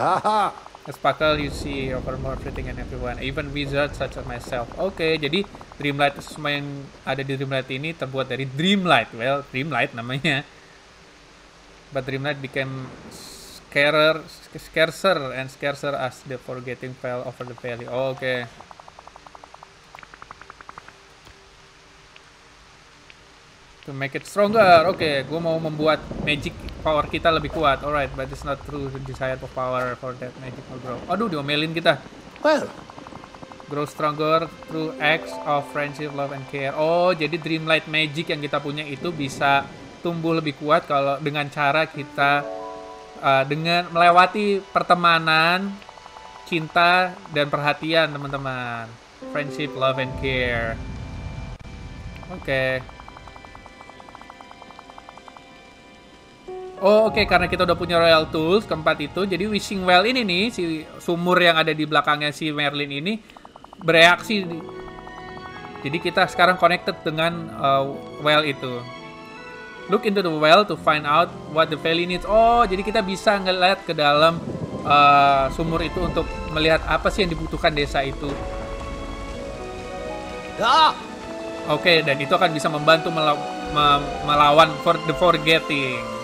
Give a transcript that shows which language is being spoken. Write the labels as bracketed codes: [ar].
[en] A sparkle you see over more everything and everyone, even wizards such as myself. [id] Okay, jadi dream light semua yang ada di dream light ini terbuat dari dream light. Well, dream light namanya. [en] But dream light became scarcer and scarcer as the forgetting fell over the valley. Oh, okay. To make it stronger, okay. [id] Gua mau membuat magic power kita lebih kuat. [en] Alright, but it's not true. The desire for power for that magic will grow. [id] Aduh, diomelin kita. [en] Well, grow stronger through acts of friendship, love, and care. [id] Oh, jadi Dreamlight Magic yang kita punya itu bisa tumbuh lebih kuat kalau dengan cara kita dengan melewati pertemanan, cinta, dan perhatian, teman-teman. [en] Friendship, love, and care. Oke. [id] Oh, oke, karena kita udah punya Royal Tools keempat itu, jadi Wishing Well ini nih, si sumur yang ada di belakangnya si Merlin ini, bereaksi. Jadi kita sekarang connected dengan well itu. [en] Look into the well to find out what the valley needs. [id] Oh, jadi kita bisa ngeliat ke dalam sumur itu untuk melihat apa sih yang dibutuhkan desa itu. Oke, dan itu akan bisa membantu melawan [en] for the forgetting.